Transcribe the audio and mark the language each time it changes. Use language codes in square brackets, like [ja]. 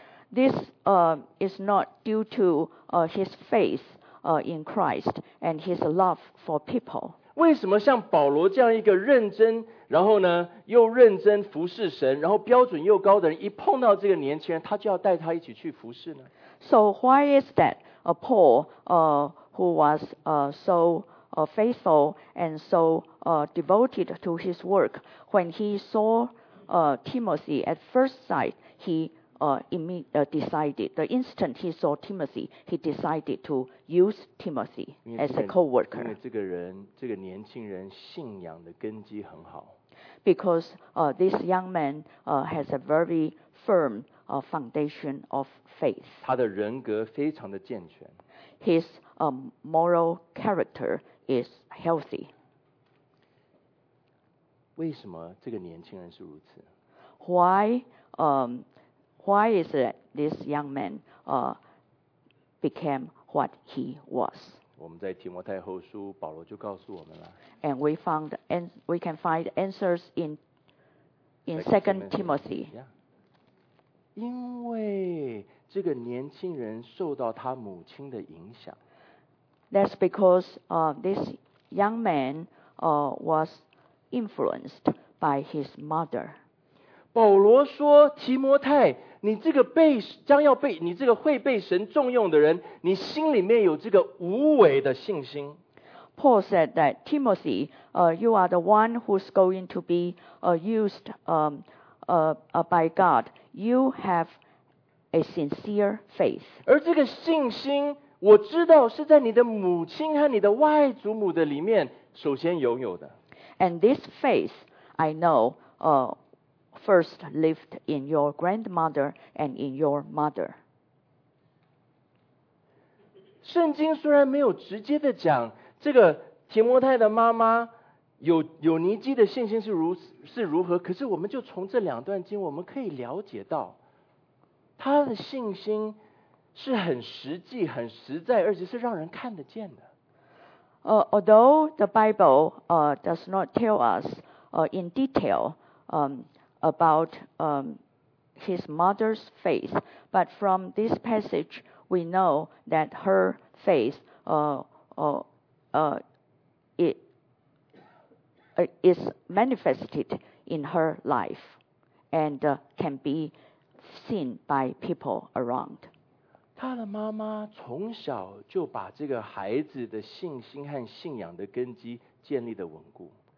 [en] This is not due to his faith in Christ and his love for people. [zh] 为什么像保罗这样一个认真，然后呢又认真服侍神，然后标准又高的人，一碰到这个年轻人，他就要带他一起去服侍呢？ [en] So why is that Paul who was so faithful and so devoted to his work, when he saw Timothy at first sight, he decided, the instant he saw Timothy, he decided to use Timothy as a co-worker. [zh] 因为这个人，这个年轻人信仰的根基很好。 [en] Because this young man has a very firm foundation of faith. [zh] 他的人格非常的健全。 [en] His moral character is healthy. [zh] 为什么这个年轻人是如此？ [en] Why is it this young man became what he was? [zh] 我们在提摩太后书，保罗就告诉我们了。 [en] And we found and we can find answers in Second Timothy. Yeah. [zh] 因为这个年轻人受到他母亲的影响。 [en] That's because this young man was influenced by his mother. [zh] 保罗说，提摩太。你这个被将要被你这个会被神重用的人，你心里面有这个无为的信心。 [en] Paul said that Timothy, you are the one who's going to be used by God. You have a sincere faith. [zh] 而这个信心，我知道是在你的母亲和你的外祖母的里面首先拥有的。 [en] And this faith, I know, first lived in your grandmother and in your mother. [zh] 圣经虽然没有直接的讲这个提摩太的妈妈 有尼基的信心是如何，可是我们就从这两段经我们可以了解到他的信心是很实际很实在，而且是让人看得见的。 [en] Although the Bible does not tell us in detail about his mother's faith. But from this passage, we know that her faith is manifested in her life and can be seen by people around. [zh] 他的妈妈从小就把这个孩子的信心和信仰的根基建立得稳固。